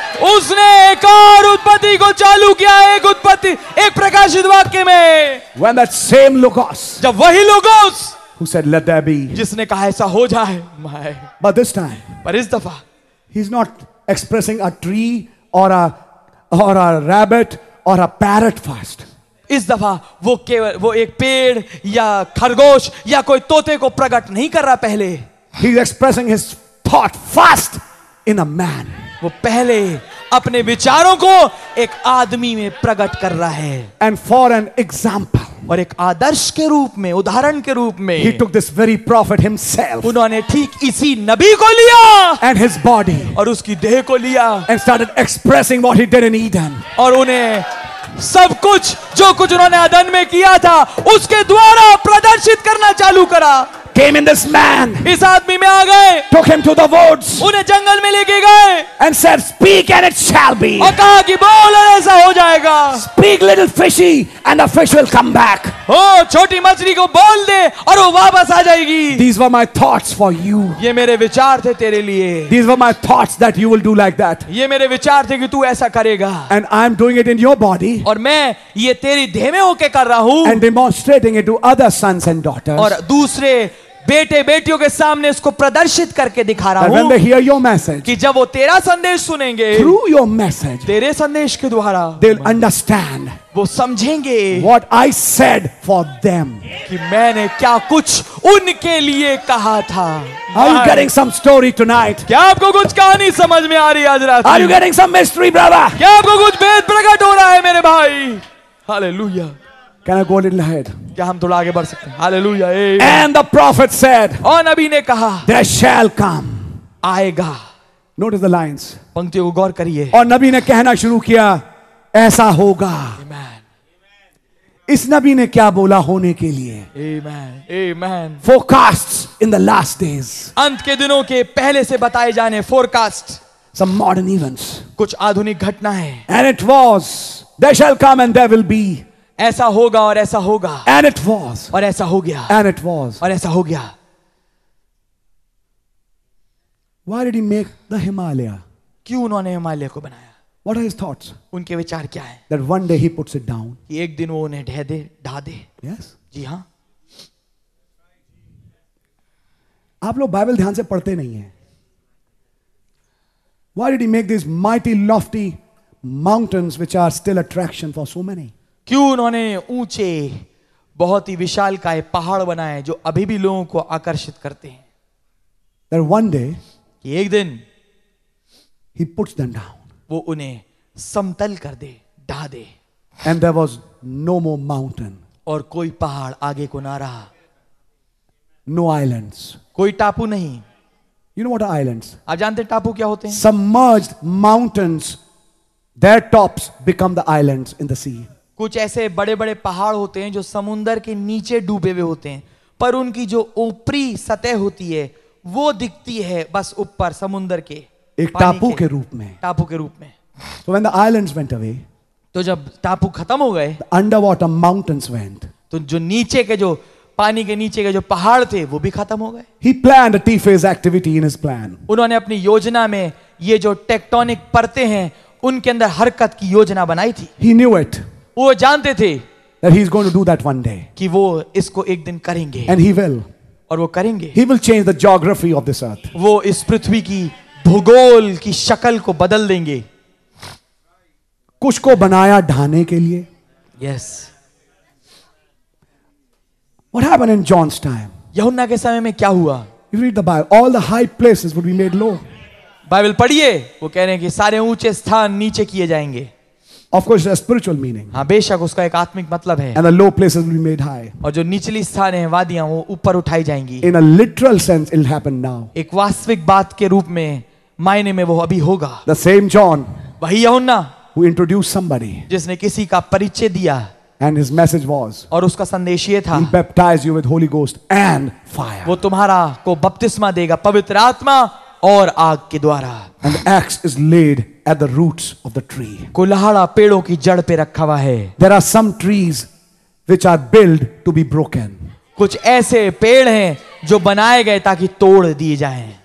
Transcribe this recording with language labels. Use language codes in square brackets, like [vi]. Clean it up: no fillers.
[hi] उसने एक और उत्पत्ति को चालू किया, एक उत्पत्ति, एक प्रकाशित वाक्य में. [en] When that same logos, [hi] जब वही logos, [en] who said let there be, [hi] जिसने कहा ऐसा हो जाए, my, [en] but this time, [hi] पर इस दफा, [en] he's not expressing a tree or a rabbit or a parrot first, [hi] इस दफा वो केवल वो एक पेड़ या खरगोश या कोई तोते को प्रकट नहीं कर रहा पहले, [en] he's expressing his thought first in a man, [hi] वो पहले अपने विचारों को एक आदमी में प्रकट कर रहा है, [en] and for an example, [hi] और एक आदर्श के रूप में, उदाहरण के रूप में, [en] he took this very prophet himself, [hi] उन्होंने ठीक इसी नबी को लिया, [en] and his body, [hi] और उसकी देह को लिया, [en] and started expressing what he did in Eden, [hi] और उन्हें सब कुछ जो कुछ उन्होंने अदन में किया था उसके द्वारा प्रदर्शित करना चालू करा. [en] Came in this man, [hi] इस आदमी में आ गए, [en] took him to the woods, [hi] उन्हें जंगल में लेके गए, [en] and said, speak and it shall be, [hi] और कहा कि बोल और ऐसा हो जाएगा, [en] speak little fishy and the fish will come back, [hi] ओ छोटी मछली को बोल दे और वो वापस आ जाएगी. [en] These were my thoughts for you, [hi] ये मेरे विचार थे तेरे लिए. [en] These were my thoughts that you will do like that, [hi] ये मेरे विचार थे कि तू ऐसा करेगा. [en] And I'm doing it in your body, [hi] और मैं ये तेरी देह में होके कर रहा हूँ, [en] and demonstrating it to other sons and daughters, [hi] और दूसरे बेटे बेटियों के सामने इसको प्रदर्शित करके दिखा रहा हूँ. [en] When they hear your message, [hi] कि जब वो तेरा संदेश सुनेंगे, [en] through your message, [hi] तेरे संदेश के द्वारा, [en] they'll understand, [hi] वो समझेंगे, [en] what I said for them, [hi] कि मैंने क्या कुछ उनके लिए कहा था. [en] Are you getting some story tonight? [hi] क्या आपको कुछ कहानी समझ में आ रही है आज रात? [en] Are you getting some mystery, brother? [hi] क्या आपको कुछ भेद प्रकट हो रहा है मेरे भाई? [en] Hallelujah. Can I go a little ahead? [hi] क्या हम थोड़ा आगे बढ़ सकते हैं? [en] Hallelujah. And the prophet said, [hi] और नबी ने कहा, [en] there shall come, [hi] आएगा. [en] Notice the lines. [hi] पंक्तियों को गौर करिए. और नबी ने कहना शुरू किया, ऐसा होगा. [en] Amen. [hi] इस नबी ने क्या बोला होने के लिए? [en] Amen. Amen. Forecasts in the last days. [hi] अंत के दिनों के पहले से बताए जाने forecast. [en] Some modern events. [hi] कुछ आधुनिक घटनाएं. [en] And it was, there shall come and there will be. [hi] ऐसा होगा और ऐसा होगा. [en] And it was. [hi] और ऐसा हो गया. [en] And it was. [hi] और ऐसा हो गया. [en] Why did he make the Himalaya? [hi] क्यों उन्होंने हिमालय को बनाया. [en] What are his thoughts? [hi] उनके विचार क्या है? [en] That one day he puts it down. [hi] कि एक दिन वो उन्हें ढह दे, ढा दे. [en] Yes. [hi] जी हाँ. आप लोग बाइबल ध्यान से पढ़ते नहीं हैं. [en] Why did he make these mighty, lofty mountains, which are still attraction for so many? [hi] क्यों उन्होंने ऊंचे, बहुत ही विशाल काय पहाड़ बनाए जो अभी भी लोगों को आकर्षित करते हैं? [en] That one day. [hi] कि एक दिन. [en] He puts them down. [hi] वो उन्हें समतल कर दे, ढा दे. [en] And there was no more mountain. [hi] और कोई पहाड़ आगे को ना रहा. [en] No islands. [hi] कोई टापू नहीं. [en] You know what are islands? [hi] आप जानते हैं टापू क्या होते हैं? [en] Submerged mountains, their tops become the islands in the sea. [hi] कुछ ऐसे बड़े बड़े पहाड़ होते हैं जो समुन्दर के नीचे डूबे हुए होते हैं, पर उनकी जो ऊपरी सतह होती है वो दिखती है बस ऊपर समुन्दर के. एक टापू के रूप में. टापू के रूप में. [en] So when the islands went away, [hi] तो जब टापू खत्म हो गए, [en] underwater mountains went. [hi] तो जो नीचे के जो पानी के नीचे के जो पहाड़ थे वो भी खत्म हो गए. [en] He planned a T-phase activity in his plan. [hi] उन्होंने अपनी योजना में ये जो टेक्टोनिक परतें हैं उनके अंदर हरकत की योजना बनाई थी. [en] He knew it. [hi] वो जानते थे [en] that he's going to do that one day. [hi] कि वो इसको एक दिन करेंगे. [en] And he will. [hi] और वो करेंगे. [en] He will change the geography of this earth. [hi] वो इस पृथ्वी की भूगोल की शक्ल को बदल देंगे. कुछ को बनाया ढाने के लिए. [en] Yes. What happened in John's time? [hi] यूहन्ना के समय में क्या हुआ? [en] You read the Bible. All the high places would be made low. [hi] Bible पढ़िए. वो कह रहे हैं कि सारे ऊंचे स्थान नीचे किए जाएंगे. [en] Of course, it has spiritual meaning. [hi] हाँ, बेशक उसका एक आत्मिक मतलब है. [en] And the low places will be made high. [hi] और जो निचली स्थान हैं, वादियाँ, वो ऊपर उठाई जाएंगी. [en] In a literal sense, it'll happen now. [hi] एक वास्तविक बात के रूप में, मायने में वो अभी होगा. [en] The same John. [hi] वही यूहन्ना. [en] Who introduced somebody. [hi] जिसने किसी का परिचय दिया. [en] And his message was. [hi] और उसका संदेश ये था. [en] He baptized you with Holy Ghost and fire. [hi] वो तुम्हारा को बपतिस्मा देगा पवित्र आत्मा और आग के द्वारा. [en] And the axe is laid at the roots of the tree. [hi] कुल्हाड़ा पेड़ों की जड़ पे रखा हुआ है. [en] There are some trees which are built to be broken. [hi] कुछ ऐसे पेड़ हैं जो बनाए गए ताकि तोड़ दिए जाएं.